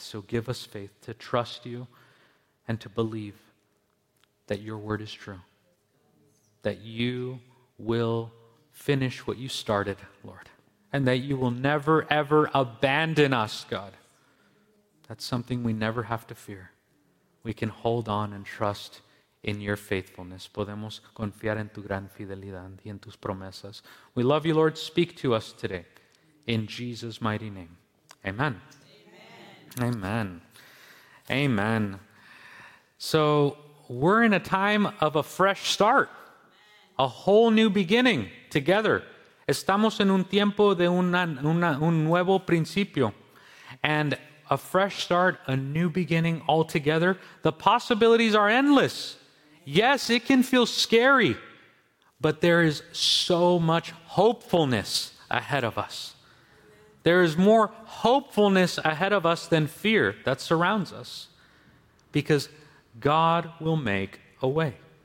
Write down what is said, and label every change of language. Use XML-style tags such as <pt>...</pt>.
<en>So give us faith to trust you and to believe that your word is true, that you will finish what you started, Lord, and that you will never, ever abandon us, God. That's something we never have to fear. We can hold on and trust in your faithfulness.</en> <es>Podemos confiar en tu gran fidelidad y en tus promesas.</es> <en>We love you, Lord. Speak to us today. In Jesus' mighty name. Amen. Amen. Amen. Amen. So we're in a time of a fresh start. A whole new beginning together.</en> <es>Estamos en un tiempo de un nuevo principio.</es> <en>And a fresh start, a new beginning all together. The possibilities are endless. Yes, it can feel scary, but there is so much hopefulness ahead of us. There is more hopefulness ahead of us than fear that surrounds us, because God will make a way.</en>